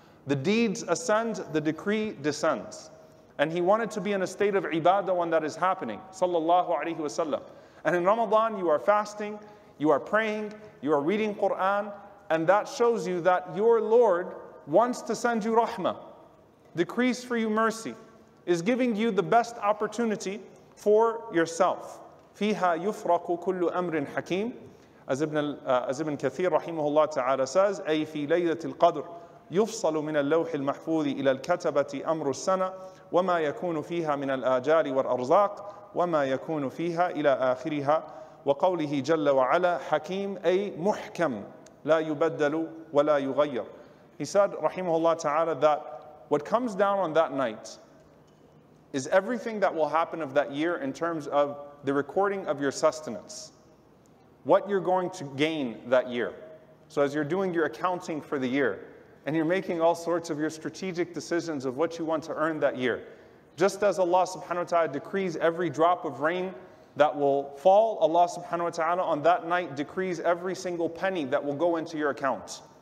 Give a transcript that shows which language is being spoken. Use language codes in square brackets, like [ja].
[en] The deeds ascend, the decree descends. And he wanted to be in a state of ibadah when that is happening, sallallahu alaihi wasallam. And in Ramadan, you are fasting, you are praying, you are reading Quran, and that shows you that your Lord wants to send you rahmah, decrees for you mercy, is giving you the best opportunity for yourself. [ar] فِيهَا يُفْرَقُ كُلُّ أَمْرٍ حَكِيمٍ [en] As Ibn Kathir rahimahullah ta'ala says, [ar] أي في ليلة القدر يفصل من اللوح المحفوظ إلى الكتبة أمر السنة وما يكون فيها من الآجال والأرزاق وما يكون فيها إلى آخرها وقوله جل وعلا حكيم أي محكم لا يبدل ولا يغير. [en] He said rahimahullah ta'ala that what comes down on that night is everything that will happen of that year in terms of the recording of your sustenance, what you're going to gain that year. So as you're doing your accounting for the year, and you're making all sorts of your strategic decisions of what you want to earn that year, just as Allah subhanahu wa ta'ala decrees every drop of rain that will fall, Allah subhanahu wa ta'ala on that night decrees every single penny that will go into your account.